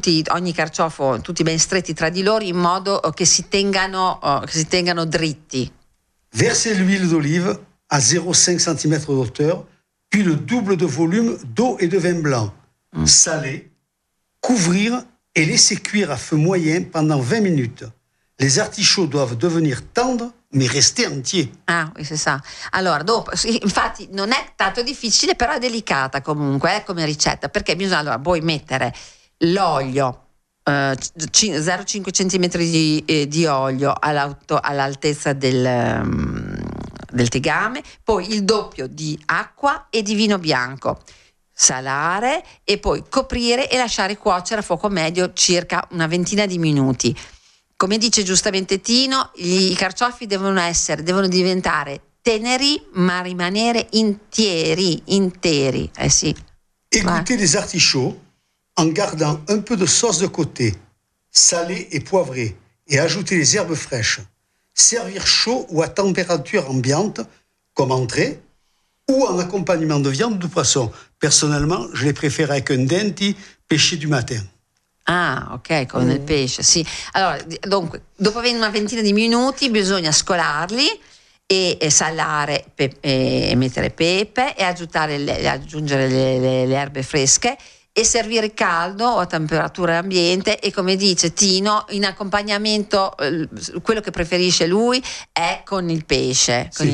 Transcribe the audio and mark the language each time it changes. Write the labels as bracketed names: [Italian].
[Italian] Ogni carciofo ben stretti tra di loro in modo che si tengano dritti. [French] Verser l'huile d'olive à 0,5 cm d'auteur, puis le double de volume d'eau et de vin blanc. Saler, couvrir et laisser cuire à feu moyen pendant 20 minutes. Les artichauts doivent devenir tendres mais rester entiers. Ah, oui, c'est ça. [Italian] Alors, dopo, infatti, non è tanto difficile, però è delicata comunque come ricetta, perché bisogna allora poi mettere l'olio, 0,5 cm di olio all'altezza del tegame, poi il doppio di acqua e di vino bianco, salare e poi coprire e lasciare cuocere a fuoco medio circa una ventina di minuti. Come dice giustamente Tino, i carciofi devono diventare teneri, ma rimanere interi. Sì. [French] Écoutez les artichauts en gardant un peu de sauce de côté, salé et poivré, et ajouter les herbes fraîches. Servir chaud ou à température ambiante, comme entrée, ou en accompagnement de viande ou de poisson. Personnellement, je les préfère avec un denti pêché du matin. [Italian] Ah, ok, con il pesce, sì. Allora, dunque, dopo una ventina di minuti bisogna scolarli e salare e mettere pepe e aggiungere le erbe fresche e servire caldo o a temperatura ambiente e, come dice Tino, in accompagnamento, quello che preferisce lui è con il pesce, con